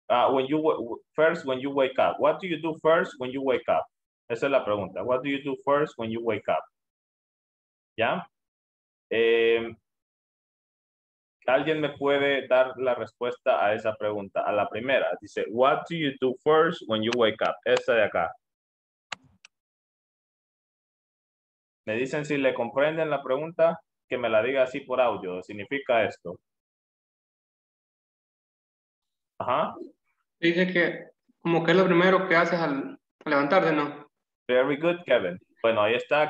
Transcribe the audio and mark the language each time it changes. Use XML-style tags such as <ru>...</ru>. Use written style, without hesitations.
<en>when you wake up, what do you do first when you wake up?</en> <es>Esa es la pregunta.</es> <en>What do you do first when you wake up? ¿Ya?</en> <es>¿Alguien me puede dar la respuesta a esa pregunta? A la primera. Dice,</es> <en>what do you do first when you wake up?</en> <es>Esta de acá. Me dicen si le comprenden la pregunta, que me la diga así por audio. ¿Significa esto? Ajá. Dice que como que es lo primero que haces al levantarte,</es> <en>Very good,</en> <es>Kevin. Bueno, ahí está.</es>